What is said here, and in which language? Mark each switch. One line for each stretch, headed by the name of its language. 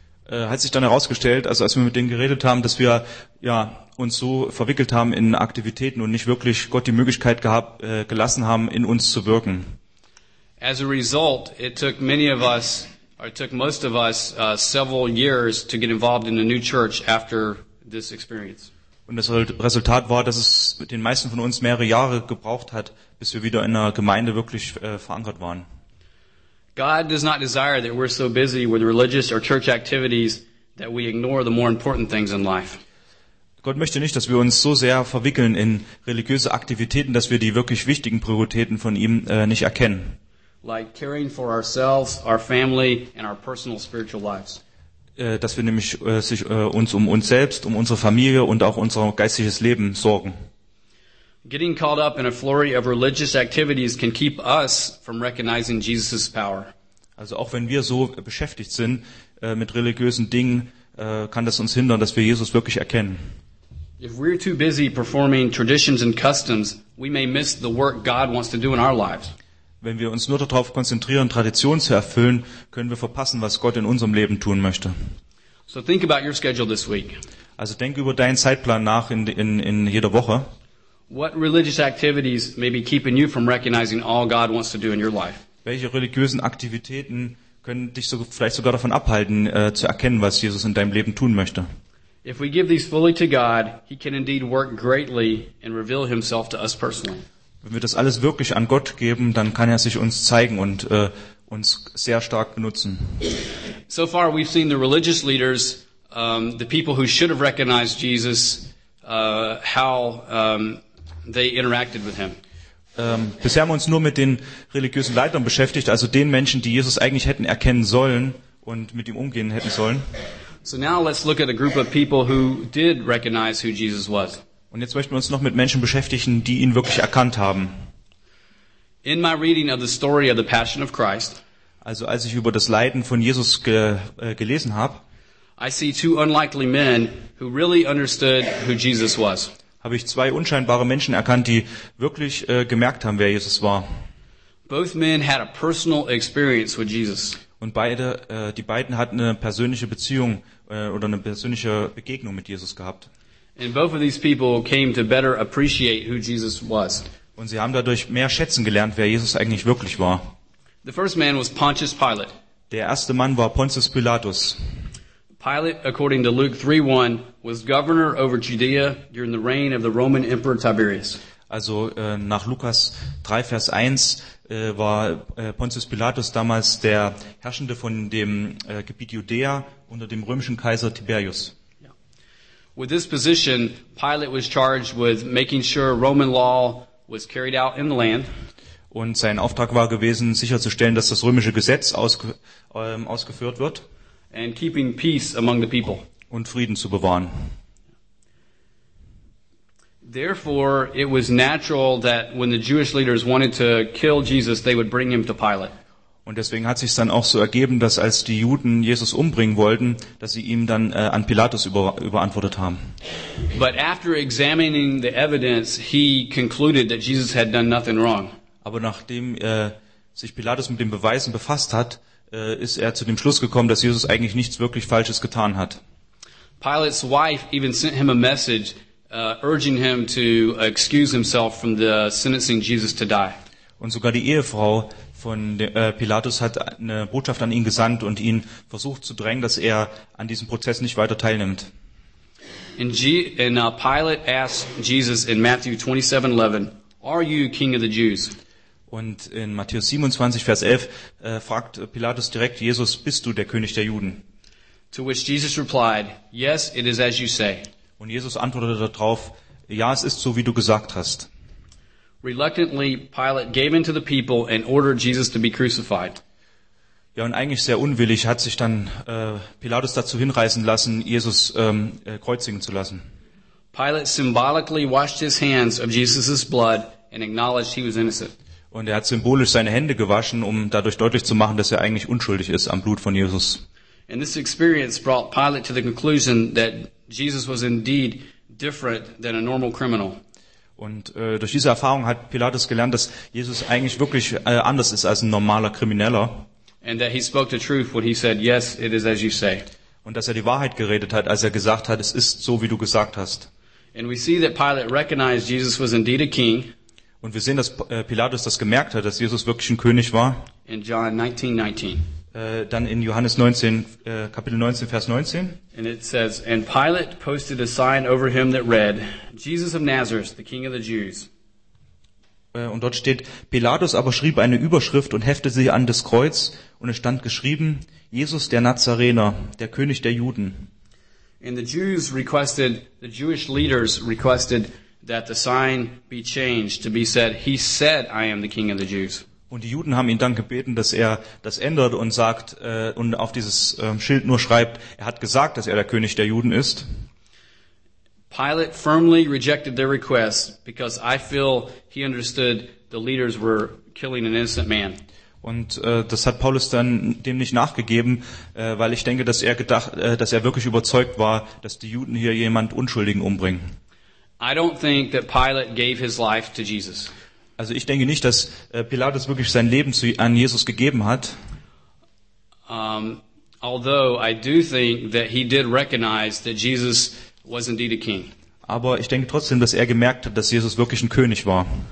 German: Hat sich dann herausgestellt, also als wir mit denen geredet haben, dass wir ja uns so verwickelt haben in Aktivitäten und nicht wirklich Gott die Möglichkeit gelassen haben, in uns zu wirken.
English: As a result, it took many of us, or it took most of us, several years to get involved in a new church after this experience.
German: Und das Resultat war, dass es den meisten von uns mehrere Jahre gebraucht hat, bis wir wieder in einer Gemeinde wirklich verankert waren.
English: God does not desire that we're so busy with religious or church activities that we ignore the more important things in life.
German: Gott möchte nicht, dass wir uns so sehr verwickeln in religiöse Aktivitäten, dass wir die wirklich wichtigen Prioritäten von ihm nicht erkennen.
English: Like caring for ourselves, our family and our personal spiritual lives.
German: Dass wir nämlich uns um uns selbst, um unsere Familie und auch unser geistiges Leben sorgen.
English: Getting caught up in a flurry of religious activities can keep us from recognizing Jesus' power.
German: Also auch wenn wir so beschäftigt sind mit religiösen Dingen, kann das uns hindern, dass wir Jesus wirklich erkennen.
English: If we're too busy performing traditions and customs, we may miss the work God wants to do in our lives.
German: Wenn wir uns nur darauf konzentrieren, Traditionen zu erfüllen, können wir verpassen, was Gott in unserem Leben tun möchte.
English: So think about your schedule this week.
German: Also denk über deinen Zeitplan nach in jeder Woche.
English: What religious activities may be keeping you from recognizing all God wants to do in your life?
German: Welche religiösen Aktivitäten können dich so vielleicht sogar davon abhalten, zu erkennen, was Jesus in deinem Leben tun möchte?
English: If we give these fully to God, he can indeed work greatly and reveal himself to us personally.
German: Wenn wir das alles wirklich an Gott geben, dann kann er sich uns zeigen und uns sehr stark benutzen.
English: So far we've seen the religious leaders, the people who should have recognized Jesus, they interacted with him.
German: Bisher haben wir uns nur mit den religiösen Leitern beschäftigt, also den Menschen, die Jesus eigentlich hätten erkennen sollen und mit ihm umgehen hätten sollen.
English: So now let's look at a group of people who did recognize who Jesus was.
German: Und jetzt möchten wir uns noch mit Menschen beschäftigen, die ihn wirklich erkannt haben.
English: In my reading of the story of the Passion of Christ,
German: also als ich über das Leiden von Jesus gelesen habe,
English: I see two unlikely men who really understood who Jesus was.
German: Habe ich zwei unscheinbare Menschen erkannt, die wirklich gemerkt haben, wer Jesus war.
English: Both men had a personal experience with Jesus.
German: Und beide, die beiden hatten eine persönliche Beziehung oder eine persönliche Begegnung mit Jesus gehabt.
English: And both of these people came to better appreciate who Jesus was.
German: Und sie haben dadurch mehr schätzen gelernt, wer Jesus eigentlich wirklich war.
English: The first man was Pontius Pilate.
German: Der erste Mann war Pontius Pilatus.
English: Pilate, according to Luke 3:1, was governor over Judea during the reign of the Roman Emperor Tiberius.
German: Also nach Lukas 3, Vers 1 war Pontius Pilatus damals der Herrschende von dem Gebiet Judäa unter dem römischen Kaiser Tiberius. Yeah.
English: With this position, Pilate was charged with making sure Roman law was carried out in the land.
German: Und sein Auftrag war gewesen, sicherzustellen, dass das römische Gesetz ausgeführt wird.
English: And keeping peace among the people.
German: Und Frieden zu bewahren.
English: Therefore, it was natural that when the Jewish leaders wanted to kill Jesus, they would bring him to Pilate.
German: Und deswegen hat sich's dann auch so ergeben, dass als die Juden Jesus umbringen wollten, dass sie ihm dann an Pilatus überantwortet haben.
English: But after examining the evidence, he concluded that Jesus had done nothing wrong.
German: Aber nachdem sich Pilatus mit den Beweisen befasst hat, ist er zu dem Schluss gekommen, dass Jesus eigentlich nichts wirklich Falsches getan hat.
English: Pilate's wife even sent him a message urging him to excuse himself from the sentencing Jesus to die.
German: Und sogar die Ehefrau von Pilatus hat eine Botschaft an ihn gesandt und ihn versucht zu drängen, dass er an diesem Prozess nicht weiter teilnimmt.
English: And Pilate asked Jesus in Matthew 27:11, "Are you King of the Jews?"
German: Und in Matthäus 27, Vers 11 fragt Pilatus direkt Jesus, bist du der König der Juden?
English: To which Jesus replied, yes, it is as you say.
German: Und Jesus antwortete darauf, ja, es ist so, wie du gesagt hast.
English: Reluctantly, Pilate gave in to the people and ordered Jesus to be crucified.
German: Ja, und eigentlich sehr unwillig hat sich dann Pilatus dazu hinreißen lassen, Jesus kreuzigen zu lassen.
English: Pilate symbolically washed his hands of Jesus' blood and acknowledged he was innocent.
German: Und er hat symbolisch seine Hände gewaschen, um dadurch deutlich zu machen, dass er eigentlich unschuldig ist am Blut von Jesus.
English: And this experience brought Pilate to the conclusion that Jesus was indeed different than a normal criminal.
German: Und durch diese Erfahrung hat Pilatus gelernt, dass Jesus eigentlich wirklich anders ist als ein normaler Krimineller.
English: And that he spoke the truth when he said, "Yes, it is as you say."
German: Und dass er die Wahrheit geredet hat, als er gesagt hat, es ist so, wie du gesagt hast.
English: And we see that Pilate recognized Jesus was indeed a king.
German: Und wir sehen, dass Pilatus das gemerkt hat, dass Jesus wirklich ein König war.
English: In John 19:19.
German: Dann in Johannes 19, Kapitel 19, Vers 19.
English: And it says, "And Pilate posted a sign over him that read, 'Jesus of Nazareth, the King of the Jews.'"
German: Und dort steht, Pilatus aber schrieb eine Überschrift und heftete sie an das Kreuz, und es stand geschrieben, Jesus der Nazarener, der König der Juden.
English: And the Jewish leaders requested that the sign be changed to be said, "He said, 'I am the King of the Jews.'"
German: Und die Juden haben ihn dann gebeten, dass er das ändert und sagt und auf dieses Schild nur schreibt, er hat gesagt, dass er der König der Juden ist.
English: Pilate firmly rejected their request because I feel he understood the leaders were killing an innocent man.
German: Und das hat Paulus dann dem nicht nachgegeben, weil ich denke, dass er gedacht, dass er wirklich überzeugt war, dass die Juden hier jemand Unschuldigen umbringen.
English: I don't think that Pilate gave his life to Jesus.
German: Also ich denke nicht, dass Pilatus wirklich sein Leben an Jesus gegeben hat.
English: Although I do think that he did recognize that Jesus was indeed a king.
German: Aber ich denke trotzdem, dass er gemerkt hat, dass Jesus wirklich ein König war.